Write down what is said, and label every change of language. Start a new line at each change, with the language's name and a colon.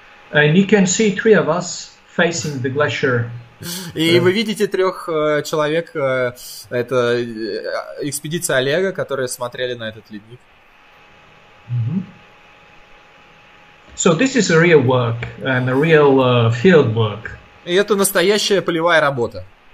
English: And you can see three of us facing the glacier.
Russian: И вы видите трех человек, это экспедиция Олега, которые смотрели на этот ледник.
English: So this is a real work and a real field work.
Russian: И это настоящая полевая работа.